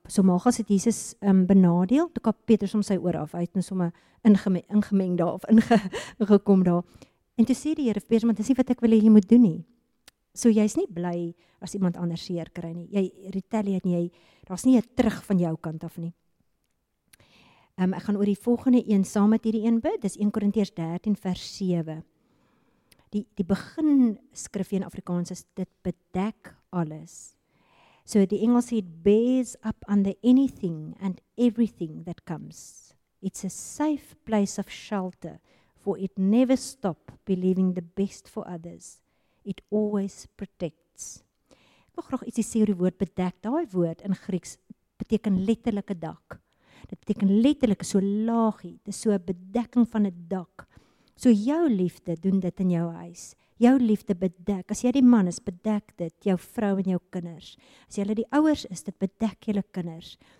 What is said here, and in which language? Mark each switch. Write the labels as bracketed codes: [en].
[af] So Malchas het Jesus benadeel, toe kap Petrus om sy oor af. Hy het sommer ingemeng daar of ingekom daar. En toe sê die Here vir Petrus, maar dis nie wat ek wil hê jy moet doen nie. So jy's nie bly as iemand anders seer kry nie. Jy retaliate nie, daar's nie 'n terug van jou kant af nie. Ek gaan oor die volgende een saam met hierdie een bid. Dis 1 Korintiërs 13 vers 7. Die begin skrif in Afrikaans is dit bedek alles. So die Engels sê, [en] it bears up under anything and everything that comes. It's a safe place of shelter, for it never stop believing the best for others. It always protects. [af] Ek wil graag ietsie sê oor die woord bedek. Daai woord in Grieks beteken letterlike dak. Dit beteken letterlike so laagie, dis so 'n bedekking van 'n dak. So jou liefde doen dit in jou huis. Jou liefde bedek. As jy die man is, bedek dit jou vrou en jou kinders. As jy hulle die ouers is, dit bedek julle kinders.